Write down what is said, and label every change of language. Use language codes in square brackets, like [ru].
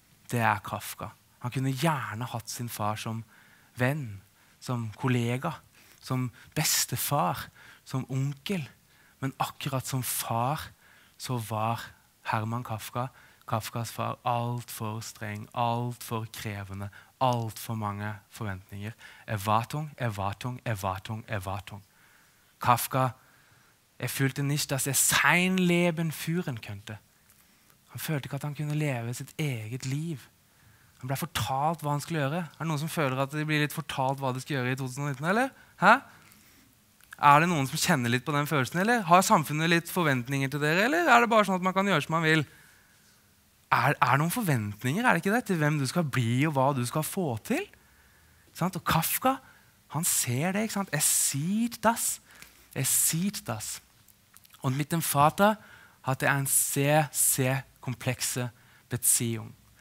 [no] Det er Kafka. Han kunne gjerne hatt sin far som venn, som kollega, som bestefar, som onkel, men akkurat som far, så var Herman Kafka, Kafkas far, alt for streng, alt for krevende, alt for mange forventninger. [de] Erwartung, Erwartung, Erwartung, Erwartung. Kafka, er fühlte nicht, dass sein Leben führen könnte. [no] Han følte ikke at han kunne leve sitt eget liv. Han ble fortalt hva han skulle gjøre. Er det noen som føler at de blir litt fortalt hva de skal gjøre i 2019, eller? Hæ? Er det noen som kjenner litt på den følelsen, eller? Har samfunnet litt forventninger til dere, eller? Er det bare sånn at man kan gjøre som man vil? Er det noen forventninger, er det ikke det, til hvem du skal bli og hva du skal få til? Sant? Og Kafka, han ser det, ikke sant? [de] Es sieht das. Es sieht das. Und mit dem Vater hatte er en sehr, sehr komplexe Beziehung.